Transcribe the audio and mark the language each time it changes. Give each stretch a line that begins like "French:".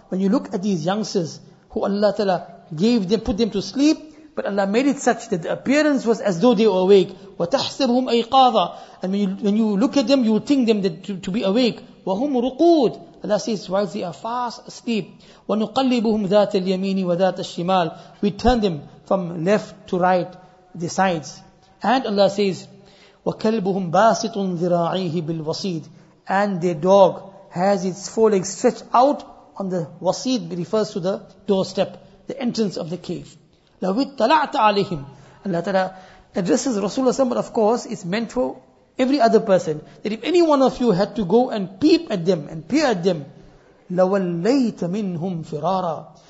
English: When you look at these youngsters, who Allah Ta'ala gave them, put them to sleep, but Allah made it such that the appearance was as though they were awake.
Arabic: وَتَحْسَبُهُمْ أَيْقَاظًا.
English: And when you look at them, you will think them to be awake.
Arabic: وَهُمْ رُقُودٌ.
English: Allah says, while they are fast asleep.
Arabic: وَنُقَلِّبُهُمْ ذَاتَ الْيَمِينِ وَذَاتَ الشِّمَالِ.
English: We turn them from left to right, the sides. And Allah says,
Arabic: وَكَلْبُهُمْ بَاسِطٌ ذِرَاعِيهِ بِالْوَصِيدِ.
English: And their dog has its forelegs stretched out on the wasid, refers to the doorstep, the entrance of the cave.
Arabic: لَوِدْ تَلَعْتَ عَلَيْهِمْ.
English: Allah Ta'ala addresses Rasulullah SAW, but of course, it's meant for every other person. That if any one of you had to go and peep at them, and peer at them,
Arabic: لَوَلَّيْتَ مِنْهُمْ فِرَارًا.